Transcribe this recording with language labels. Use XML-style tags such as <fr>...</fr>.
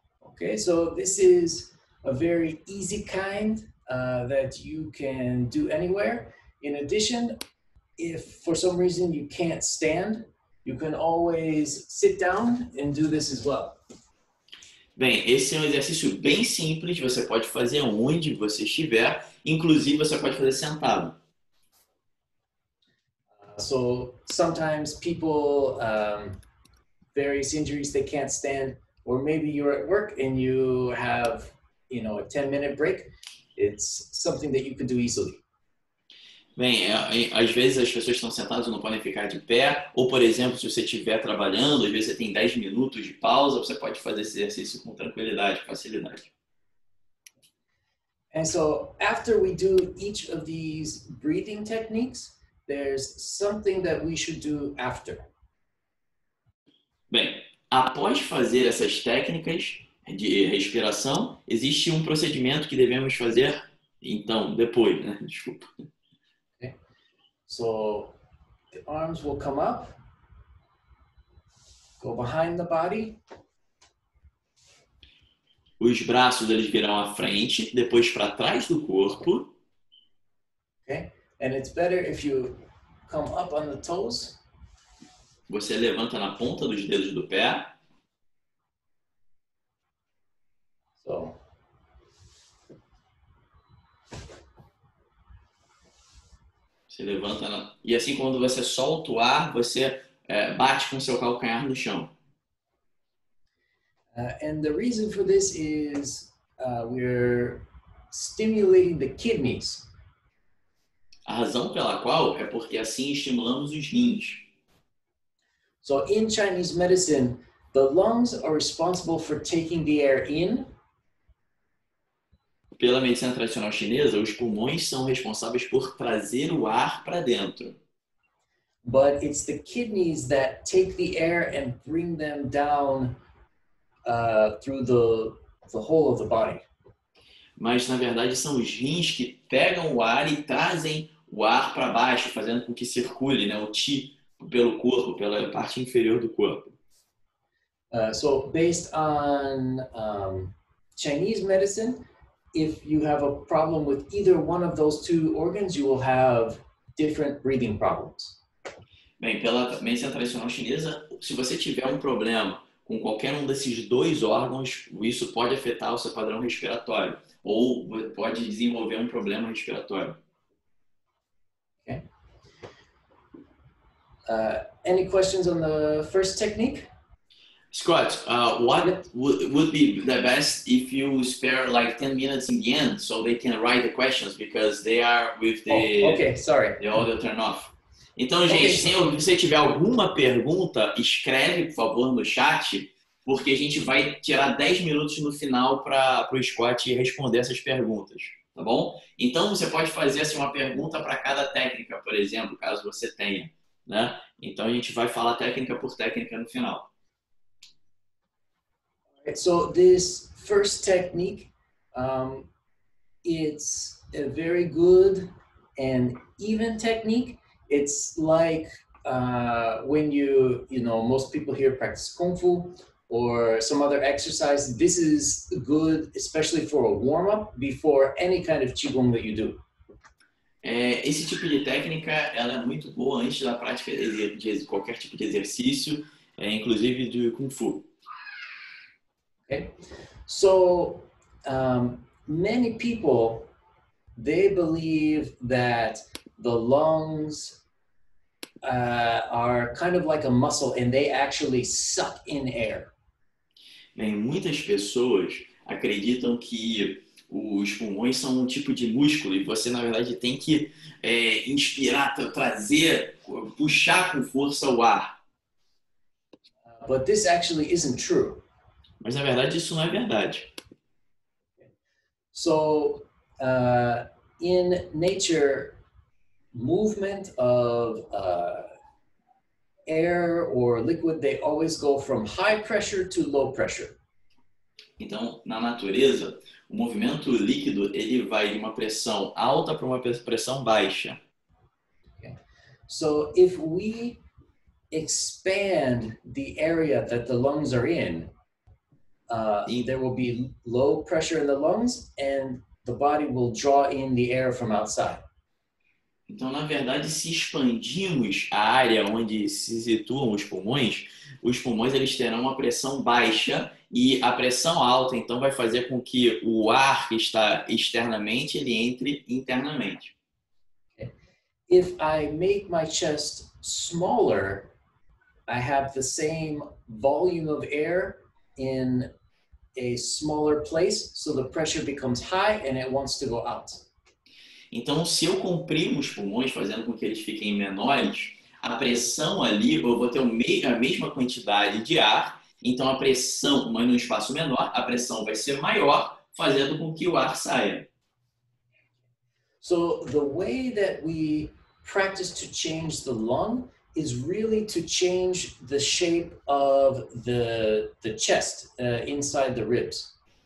<en>Okay, so this is a very easy kind that you can do anywhere. In addition, if for some reason you can't stand, you can always sit down and do this as well.</en> <pt>Bem, esse é um exercício bem simples, você pode fazer onde você estiver, inclusive você pode fazer sentado.</pt> <en>So, sometimes people, various injuries, they can't stand. Or maybe you're at work and you have, you know, a 10-minute break. It's something that you can do easily.</en> <pt>Bem, às vezes as pessoas estão sentadas e não podem ficar de pé. Ou, por exemplo, se você estiver trabalhando, às vezes você tem 10 minutos de pausa, você pode fazer esse exercício com tranquilidade, facilidade.</pt> <en>And so, after we do each of these breathing techniques, there's something that we should do after.</en> <pt>Bem, após fazer essas técnicas de respiração, existe um procedimento que devemos fazer, então, depois, né? Desculpa.</pt> <en>Okay. So, the arms will come up, go behind the body.</en> <pt>Os braços, eles virão à frente, depois para trás do corpo.</pt> <en>Okay. And it's better if you come up on the toes.</en> <pt>Você levanta na ponta dos dedos do pé.</pt> <en>So,</en> <pt>você levanta na... e assim quando você solta o ar, você bate com seu calcanhar no chão.</pt> <en>And the reason for this is we're stimulating the kidneys.</en> <pt>A razão pela qual é porque assim estimulamos os rins.</pt> <en>So in Chinese medicine, the lungs are responsible for taking the air in.</en> <pt>Pela medicina tradicional chinesa, os pulmões são responsáveis por trazer o ar para dentro.</pt> <en>But it's the kidneys that take the air and bring them down through the whole of the body.</en> <pt>Mas na verdade são os rins que pegam o ar e trazem o ar para baixo, fazendo com que circule, né, o chi pelo corpo, pela parte inferior do corpo.</pt> <en>So based on Chinese medicine, if you have a problem with either one of those two organs, you will have different breathing problems.</en> <pt>Bem, pela medicina tradicional chinesa, se você tiver um problema com qualquer um desses dois órgãos, isso pode afetar o seu padrão respiratório ou pode desenvolver um problema respiratório.</pt> <en>Okay. Any questions on the first technique? Scott, what would be the best if you spare like 10 minutes in the end so they can write the questions because they are with the, the audio turned off.</en> <pt>Então, gente, se você tiver alguma pergunta, escreve, por favor, no chat, porque a gente vai tirar 10 minutos no final para o Scott responder essas perguntas, tá bom? Então, você pode fazer assim, uma pergunta para cada técnica, por exemplo, caso você tenha, né? Então, a gente vai falar técnica por técnica no final.</pt> <en>So this first technique, it's a very good and even technique. It's like when you, you know, most people here practice Kung Fu or some other exercise. This is good, especially for a warm-up before any kind of Qigong that you do.</en> <pt>Esse tipo de técnica, ela é muito boa antes da prática de qualquer tipo de exercício, inclusive do Kung Fu.</pt> <en>Okay, so many people, they believe that the lungs are kind of like a muscle and they actually suck in air.</en> <pt>Bem, muitas pessoas acreditam que os pulmões são um tipo de músculo e você, na verdade, tem que inspirar, trazer, puxar com força o ar.</pt> <en>But this actually isn't true.</en> <pt>Mas, na verdade, isso não é verdade.</pt> <en>So, in nature, movement of air or liquid, they always go from high pressure to low pressure.</en> <pt>Então, na natureza, o movimento líquido, ele vai de uma pressão alta para uma pressão baixa.</pt> <en>Okay. So, if we expand the area that the lungs are in, there will be low pressure in the lungs and the body will draw in the air from outside.</en> <pt>Então, na verdade, se expandimos a área onde se situam os pulmões eles terão uma pressão baixa e a pressão alta, então, vai fazer com que o ar que está externamente, ele entre internamente.</pt> <en>Okay. If I make my chest smaller, I have the same volume of air in a smaller place, so the pressure becomes high and it wants to go out.</en> <pt>Então, se eu comprimo os pulmões, fazendo com que eles fiquem menores, a pressão ali, eu vou ter a mesma quantidade de ar, então a pressão, mas num espaço menor, a pressão vai ser maior, fazendo com que o ar saia.</pt> <en>So, the way that we practice to change the lung is really to change the shape of the chest inside the ribs.</en>